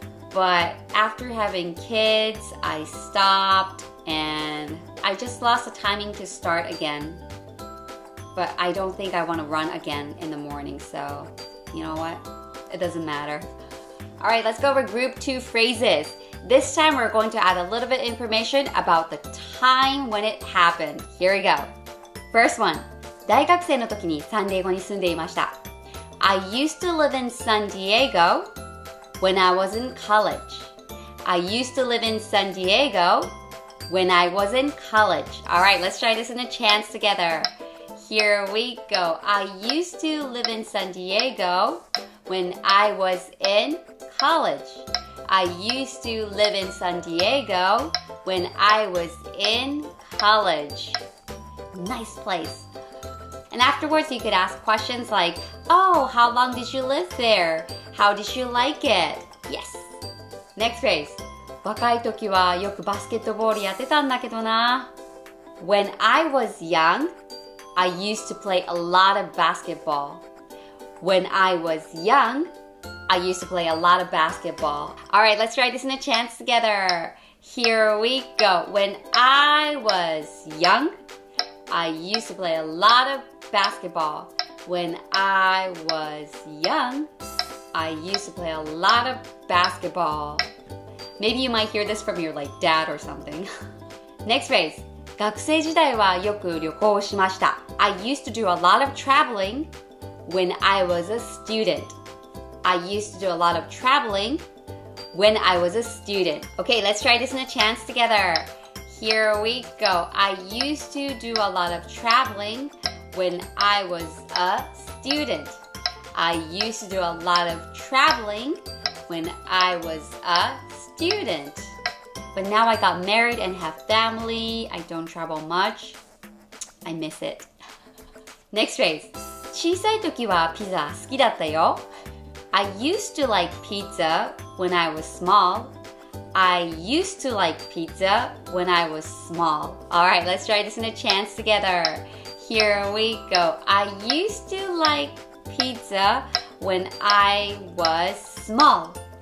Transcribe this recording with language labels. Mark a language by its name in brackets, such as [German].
[English] But after having kids, I stopped and I just lost the timing to start again. But I don't think I want to run again in the morning. So, you know what? It doesn't matter. All right, let's go over group two phrases. This time we're going to add a little bit of information about the time when it happened. Here we go. First one, [Japanese] 大学生の時にサンディエゴに住んでいました。 [English] I used to live in San Diego when I was in college. I used to live in San Diego when I was in college. All right, let's try this in a chant together. Here we go. I used to live in San Diego when I was in college. I used to live in San Diego when I was in college. Nice place. And afterwards, you could ask questions like, oh, how long did you live there? How did you like it? Yes. Next phrase. [Japanese] 若い時はよくバスケットボールやってたんだけどな。 [English] When I was young, I used to play a lot of basketball. When I was young, I used to play a lot of basketball. All right, let's try this in a chant together. Here we go. When I was young,I used to play a lot of basketball. When I was young, I used to play a lot of basketball. Maybe you might hear this from your like dad or something. Next phrase. [Japanese] 学生時代はよく旅行をしました。 [English] I used to do a lot of traveling when I was a student. I used to do a lot of traveling when I was a student. Okay, let's try this in a chant together. Here we go. I used to do a lot of traveling when I was a student. I used to do a lot of traveling when I was a student. But now I got married and have family. I don't travel much. I miss it. Next phrase. [Japanese] 小さい時はピザ好きだったよ。 [English] I used to like pizza when I was small. I used to like pizza when I was small. All right, let's try this in a chance together. Here we go. I used to like pizza when I was small.